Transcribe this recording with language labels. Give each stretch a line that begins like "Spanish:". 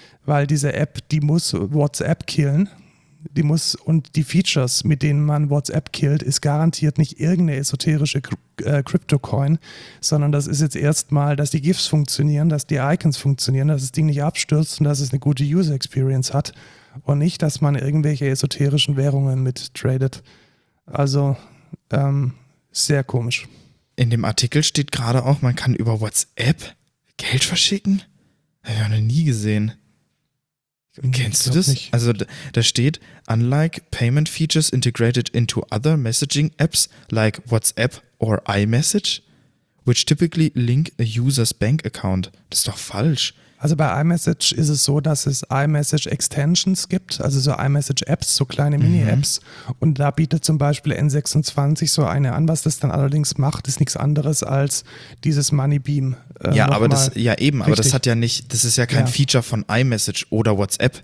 German: Weil diese App, die muss WhatsApp killen. Die muss, und die Features, mit denen man WhatsApp killt, ist garantiert nicht irgendeine esoterische Crypto-Coin, sondern das ist jetzt erstmal, dass die GIFs funktionieren, dass die Icons funktionieren, dass das Ding nicht abstürzt und dass es eine gute User Experience hat und nicht, dass man irgendwelche esoterischen Währungen mit tradet. Also sehr komisch. In dem Artikel steht gerade auch, man kann über WhatsApp Geld verschicken? Habe ich noch nie gesehen. Kennst du das? Nicht. Also da steht,
English: unlike payment features integrated into other messaging apps like WhatsApp or iMessage, which typically link a user's bank account.
German: Das ist doch falsch. Also bei iMessage ist es so, dass es iMessage Extensions gibt, also so iMessage Apps, so kleine Mini-Apps. Mhm. Und da bietet zum Beispiel N26 so eine an. Was das dann allerdings macht, ist nichts anderes als dieses Moneybeam. Aber das hat ja nicht, das ist ja kein Feature von iMessage oder WhatsApp.